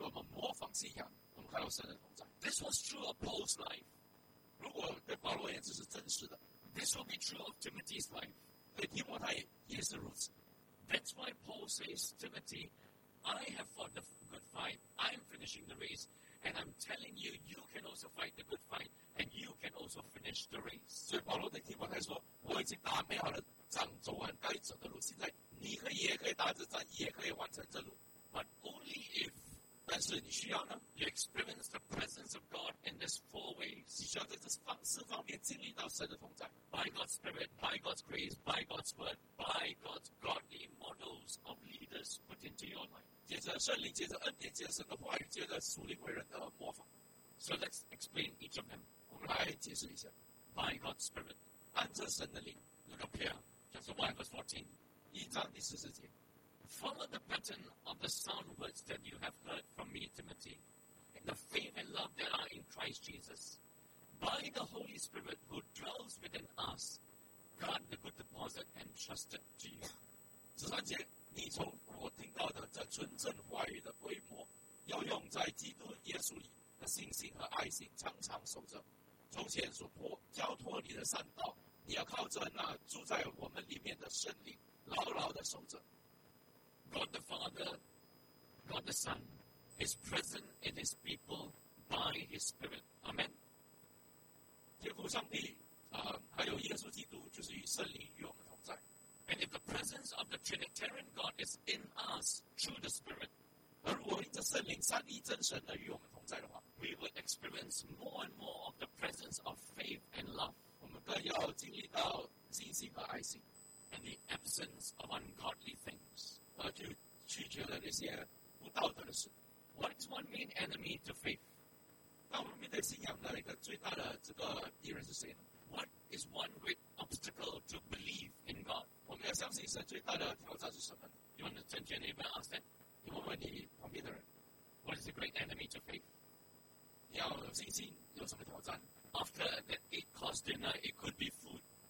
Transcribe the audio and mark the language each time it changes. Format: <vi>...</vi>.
<zh>而且这一些属灵的伟人，我们模仿信仰，我们看到神的同在。</zh> <en>This was true of Paul's life.</en> <zh>如果对保罗而言这是真实的。</zh> <en>This will be true of Timothy's life.</en> <zh>对提摩太也是如此。</zh> <en>That's why Paul says, Timothy, I have fought the good fight. I'm finishing the race. And I'm telling you, you can also fight the good fight. And you can also finish the race.</en> <zh>所以保罗对提摩太说，我已经打美好的仗，走完该走的路。现在你可以也可以打这仗，也可以完成这路。</zh> <en>But only if</en> <zh>但是你需要呢</zh> <en>？You experience the presence of God in this four ways.</en> <zh>你需要在这四方面经历到神的同在。</zh> <en>By God's Spirit, by God's grace, by God's word, by God's godly models of leaders put into your life.</en> <zh>接着圣灵，接着恩典，接着神的话语，接着属灵为人的模仿。</zh> <en>So let's explain each of them.</en> <zh>我们来解释一下。</zh> <en>By God's Spirit,</en> <zh>按着神的灵。</zh> <en>Look up here, chapter 1, verse 14.</en> <zh>一章第十四节。</zh> <en>Follow the pattern of the sound words that you have heard from me, Timothy, in the faith and love that are in Christ Jesus. By the Holy Spirit who dwells within us, guard the good deposit entrusted to you.</en> <zh>十三节，你从我听到的这纯正话语的规模，要用在基督耶稣里的信心和爱心常常守着。从前所托交托你的善道，你要靠着那住在我们里面的圣灵，牢牢地守着。</zh> <en>God the Father, God the Son, is present in His people by His Spirit. Amen.</en> <zh>天父上帝，还有耶稣基督，就是与圣灵与我们同在。</zh> <en>And if the presence of the Trinitarian God is in us through the Spirit,</en> <zh>而如果这圣灵三一真神的与我们同在的话</zh> <en>，we will experience more and more of the presence of faith and love.</en> <zh>我们更要经历到信心和爱心</zh> <en>，and the absence of ungodly things.</en> <zh>就拒绝了那些不道德的事。</zh> <en>What is one main enemy to faith?</en> <zh>当我们面对信仰的一个最大的这个敌人是谁呢</zh> <en>？What is one great obstacle to believe in God?</en> <zh>我们要相信神最大的挑战是什么</zh> <en>？You want to turn to your neighbor and ask that?</en> <zh>你问问你旁边的人</zh> <en>，What is the great enemy to faith?</en> <zh>你要有信心有什么挑战</zh> <en>？After that eight-course dinner, it could be food.</en>